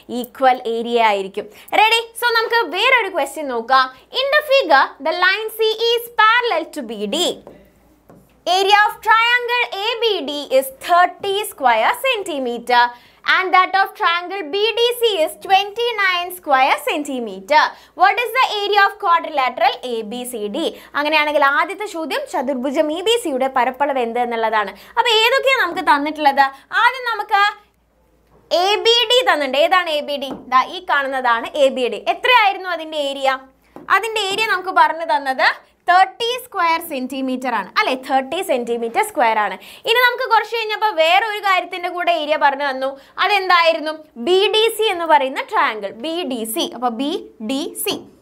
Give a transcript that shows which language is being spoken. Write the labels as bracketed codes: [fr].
[ml] Equal area ആയിരിക്കും ready so നമുക്ക് വേറൊരു ക്വസ്റ്റ്യൻ നോക്കാം [en] In the figure the line C is parallel to B D area of triangle A B D is 30 square centimetre And that of triangle BDC is 29 square centimeter. What is the area of quadrilateral ABCD? [ml] അങ്ങനെയാണെങ്കിൽ ആദ്യത്തെ ചോദ്യം ചതുർഭുജം ABC യുടെ പരപ്പളവ് എന്ത് എന്നുള്ളതാണ് അപ്പോൾ ഏതൊക്കെയാണ് നമുക്ക് തന്നിട്ടുള്ളത് ആദ്യം നമുക്ക് ABD തന്നിട്ടുണ്ട് ഏതാണ് ABD ദാ ഈ കാണുന്നതാണ് ABD എത്രയായിരുന്നു അതിൻ്റെ ഏരിയ അതിൻ്റെ ഏരിയ നമുക്ക് പറഞ്ഞു തന്നത് 30 സ്ക്വയർ സെൻറ്റിമീറ്റർ ആണ് അല്ലെ 30 സെൻറ്റിമീറ്റർ സ്ക്വയർ ആണ് ഇനി നമുക്ക് കുറച്ച് കഴിഞ്ഞപ്പോൾ വേറെ ഒരു കാര്യത്തിൻ്റെ കൂടെ ഏരിയ പറഞ്ഞു തന്നു അതെന്തായിരുന്നു ബി ഡി സി എന്ന് പറയുന്ന ട്രയാങ്കിൾ ബി ഡി സി അപ്പോൾ ബി ഡി സി